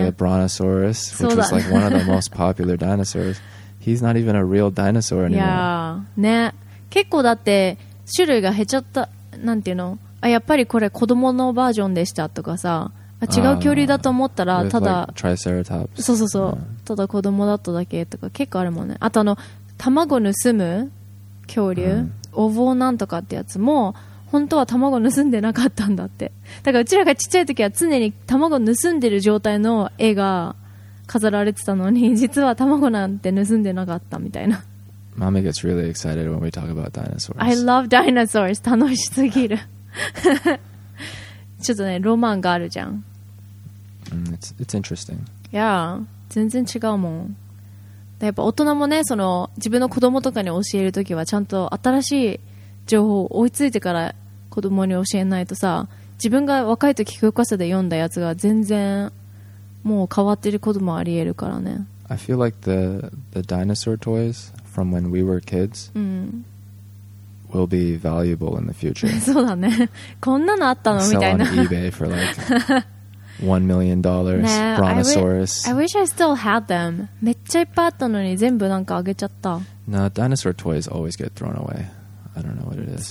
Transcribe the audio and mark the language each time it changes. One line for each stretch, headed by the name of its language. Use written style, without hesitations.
English: a brontosaurus, which was like one of the most popular dinosaurs, he's not even a real dinosaur anymore. Yeah,
Japanese: ね、結構だって種類が減っちゃった、なんていうの、あ、やっぱりこれ子供のバージョンでしたとかさ、あ、違う恐竜だと思ったら、ただ、
English: like、Triceratops.
Japanese: そうそうそう、
English: yeah.
Japanese: ただ子供だっただけとか結構あるもんね。あと卵盗む恐竜、うん、お坊なんとかってやつも本当は卵盗んでなかったんだって。だからうちらがちっちゃい時は常に卵盗んでる状態の絵が飾られてたのに、実は卵なんて盗んでなかったみたいな。
English: Mommy gets really excited when we talk about dinosaurs. I love dinosaurs.
Japanese: 楽しすぎる。ちょっとね、ロマンがあるじゃん。
English: Mm, it's interesting. Yeah,
Japanese: 全然違うもん。やっぱ大人もね、その自分の子供とかに教えるときはちゃんと新しい情報を追いついてから子供に教えないとさ、自分が若いとき教科書で読んだやつが全然もう変わってることもありえるからね。
English: I feel like the dinosaur toys from when we were kids、
Japanese: うん、
English: will be valuable in the future.
Japanese: そうだね。こんなのあったのみたいな。
English: Sell on eBay for like $1 million brontosaurus. I wish I still had them.
Japanese: めっちゃいっぱいあったのに全部なんかあげちゃった。
English: No, dinosaur toys always get thrown away. I don't know what it is.